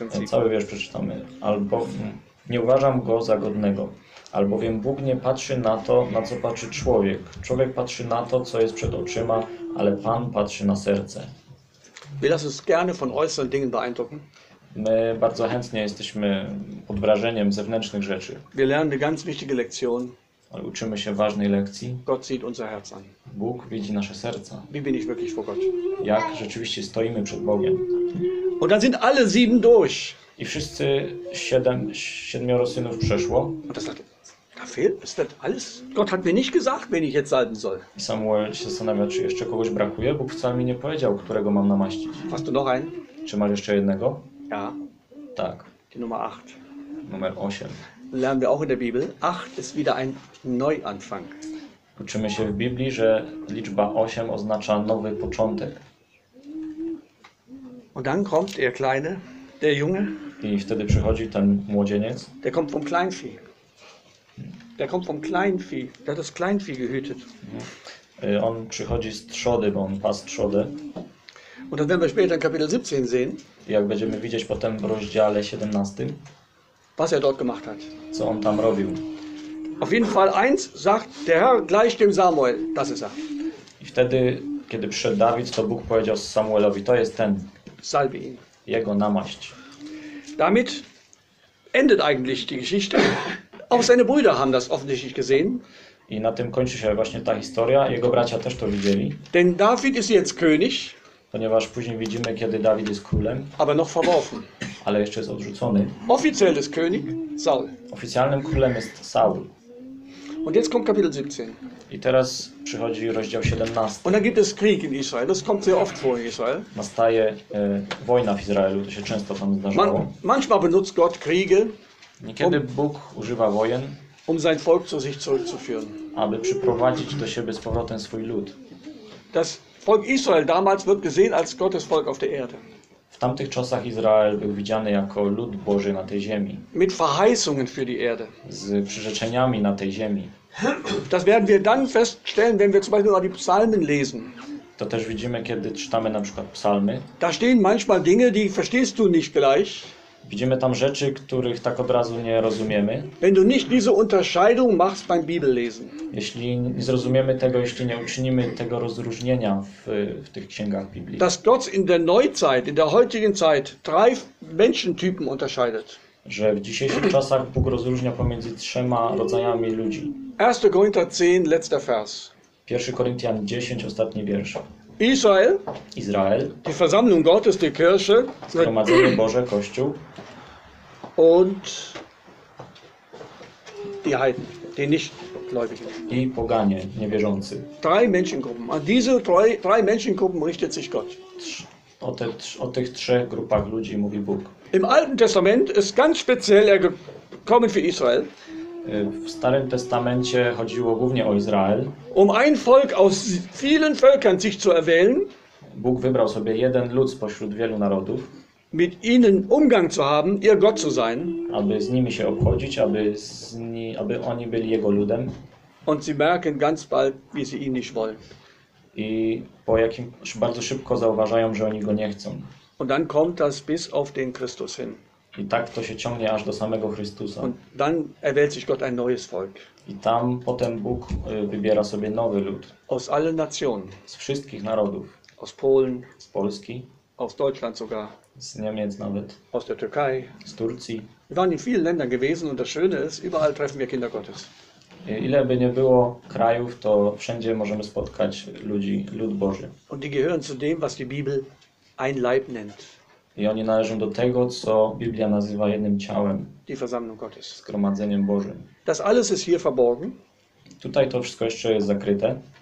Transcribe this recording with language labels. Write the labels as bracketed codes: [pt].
[pl] Cały wiersz przeczytamy. Albowiem nie uważam go za godnego. Albowiem Bóg nie patrzy na to, na co patrzy człowiek. Człowiek patrzy na to, co jest przed oczyma, ale Pan patrzy na serce. [de] Wir lassen uns gerne von äußeren Dingen beeindrucken. [pl] My bardzo chętnie jesteśmy pod wrażeniem zewnętrznych rzeczy. [de] Wir lernen eine ganz wichtige Lektion. [pl] Ale uczymy się ważnej lekcji. [de] Gott sieht unser Herz an. [pl] Bóg widzi nasze serca. [de] Wie bin ich wirklich vor Gott? [pl] Jak rzeczywiście stoimy przed Bogiem. [de] Und dann sind alle sieben durch. [pl] I wszyscy siedmioro synów przeszło. [de] Und das sagt, da fehlt, ist das alles? Gott hat mir nicht gesagt, wen ich jetzt salben soll. [pl] I Samuel się zastanawia, czy jeszcze kogoś brakuje. Bóg wcale mi nie powiedział, którego mam namaścić. [de] Hast du noch einen? [pl] Czy masz jeszcze jednego? [de] Ja. [pl] Tak. [de] Die Nummer 8. [pl] Numer 8. [de] Lernen wir auch in der Bibel. 8 ist wieder ein Neuanfang. [pl] Uczymy się w Biblii, że liczba 8 oznacza nowy początek. [de] Und dann kommt der Kleine, der Junge. [pl] I wtedy przychodzi ten młodzieniec. [de] Der kommt vom Kleinvieh. Der kommt vom Kleinvieh. Der hat das Kleinvieh gehütet. [pl] On przychodzi z trzody, bo on pas trzody. [de] Und dann werden wir später in Kapitel 17 sehen. [pl] Jak będziemy widzieć potem w rozdziale 17. [de] Was er dort gemacht hat. [pl] Co on tam robił. [de] Auf jeden Fall eins sagt der Herr gleich dem Samuel, das ist er. [pl] I wtedy, kiedy przyszedł Dawid, to Bóg powiedział Samuelowi, to jest ten. [de] Salbe ihn. [pl] Jego namaść. [de] Damit endet eigentlich die Geschichte. Auch seine Brüder haben das offensichtlich gesehen. [pl] I na tym kończy się właśnie ta historia. Jego bracia też to widzieli. [de] Denn David ist jetzt König. [pl] Ponieważ później widzimy, kiedy Dawid jest królem. [de] Aber noch verworfen. [pl] Ale jeszcze jest odrzucony. [de] Offiziell ist König Saul. [pl] Oficjalnym królem jest Saul. [de] Und jetzt kommt Kapitel 17. [pl] I teraz przychodzi rozdział 17. [de] Und dann gibt es Krieg in Israel. Das kommt sehr oft vor in Israel. [pl] Nastaje wojna w Izraelu. To się często tam zdarzało. [de] Manchmal benutzt Gott Kriege. [pl] Niekiedy Bóg używa wojen. [de] Um sein Volk zu sich zurückzuführen. [pl] Aby przyprowadzić do siebie z powrotem swój lud. [de] Das Volk Israel damals wird gesehen als Gottes Volk auf der Erde. [pl] W tamtych czasach Izrael był widziany jako lud Boży na tej ziemi. [de] Mit Verheißungen für die Erde. [pl] Z przyrzeczeniami na tej ziemi. [de] Das werden wir dann feststellen, wenn wir zum Beispiel die Psalmen lesen. [pl] To też widzimy, kiedy czytamy na przykład psalmy. [de] Da stehen manchmal Dinge, die verstehst du nicht gleich. [pl] Widzimy tam rzeczy, których tak od razu nie rozumiemy. [de] Wenn du nicht diese Unterscheidung machst beim Bibellesen. [pl] Jeśli nie zrozumiemy tego, jeśli nie uczynimy tego rozróżnienia w tych księgach Biblii. [de] Dass Gott in der Neuzeit, in der heutigen Zeit, drei Menschentypen unterscheidet. [pl] Że w dzisiejszych czasach Bóg rozróżnia pomiędzy trzema rodzajami ludzi. [de] 1. Korinther 10, letzter Vers. [pl] 1. Koryntian 10, ostatni wiersz. [de] Israel, [pl] Izrael, [de] die Versammlung Gottes, die Kirche, [pl] Zgromadzenie Boże, Kościół, [de] und die Heiden, die Nichtgläubigen. [pl] I poganie, niewierzący. [de] Drei Menschengruppen. An diese drei Menschengruppen richtet sich Gott. [pl] O tych trzech grupach ludzi mówi Bóg. [de] Im Alten Testament ist ganz speziell er gekommen für Israel. [pl] W Starym Testamencie chodziło głównie o Izrael. [de] Um ein Volk aus vielen Völkern sich zu erwählen. [pl] Bóg wybrał sobie jeden lud spośród wielu narodów. [de] Mit ihnen Umgang zu haben, ihr Gott zu sein. [pl] Aby z nimi się obchodzić, aby oni byli jego ludem. [de] Und sie merken ganz bald, wie sie ihn nicht wollen. [pl] I po jakim bardzo szybko zauważają, że oni go nie chcą. [de] Und dann kommt das bis auf den Christus hin. [pl] I tak to się ciągnie aż do samego Chrystusa. [de] Und dann erwählt sich Gott ein neues Volk. [pl] I tam potem Bóg wybiera sobie nowy lud. [de] Aus allen Nationen. [pl] Z wszystkich narodów. [de] Aus Polen. [pl] Z Polski. [de] Aus Deutschland sogar. [pl] Z Niemiec nawet. [de] Aus der Türkei. [pl] Z Turcji. [de] Wir waren in vielen Ländern gewesen und das Schöne ist, überall treffen wir Kinder Gottes. [pl] Ile by nie było krajów, to wszędzie możemy spotkać ludzi, lud Boży. [de] Und die gehören zu dem, was die Bibel ein Leib nennt. [pl] I oni należą do tego, co Biblia nazywa jednym ciałem. [de] Die Versammlung Gottes. [pl] Zgromadzeniem Bożym. [de] Das alles ist hier verborgen. [pl] Tutaj to wszystko jeszcze jest zakryte.